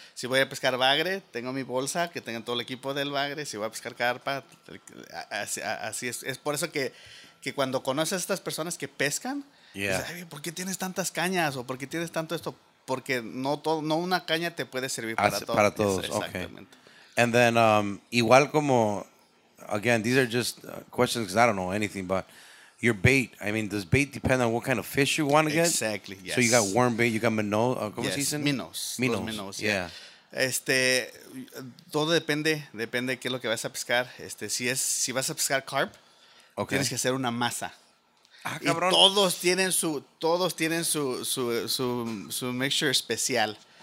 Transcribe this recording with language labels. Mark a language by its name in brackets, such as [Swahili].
[Spanish] Si voy a pescar bagre, tengo mi bolsa, que tenga todo el equipo del bagre. Si voy a pescar carpa, así es. Es por eso que cuando conoces a estas personas que pescan, [English] yeah. [Spanish] Dices, ay, ¿por qué tienes tantas cañas? ¿O por qué tienes tanto esto? Porque no todo, no una caña te puede servir para todo. Para todos, exactamente. Okay. [English] And then, [Spanish] igual como, [English] again, these are just questions because I don't know anything, but your bait, I mean, does bait depend on what kind of fish you want to get? Exactly, yes. So you got worm bait, you got minnows, [Spanish] ¿cómo se dice? [English] Minnows, yeah. [Spanish] Este, todo depende de qué es lo que vas a pescar. Este, si vas a pescar carp, okay. Tienes que hacer una masa. Ah, cabrón. Y todos tienen su mixture especial.